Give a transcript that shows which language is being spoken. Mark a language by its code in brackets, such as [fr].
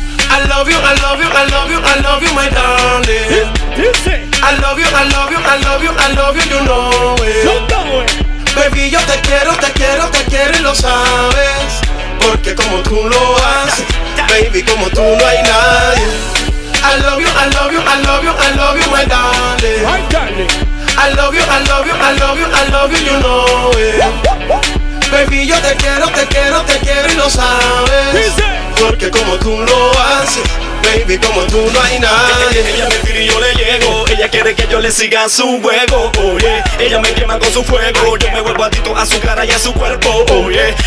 [en] I love you, I love you, I love you, I love you, my darling. [es] Dice. [en] I love you, I love you, I love you, I love you, you know it. [es] Baby, yo te quiero, te quiero, te quiero y lo sabes. Porque como tú lo haces, baby, como tú no hay nadie. [en] I love you, I love you, I love you, I love you, my darling. I love you, I love you, I love you, I love you, you know it. [es] Baby, yo te quiero, te quiero, te quiero y lo sabes. Porque como tú lo haces, baby, como tú no hay nadie. Ella me tira y yo le llego. Ella quiere que yo le siga su juego, oye. Ella me quema con su fuego. Yo me vuelvo adicto a su cara y a su cuerpo, oye.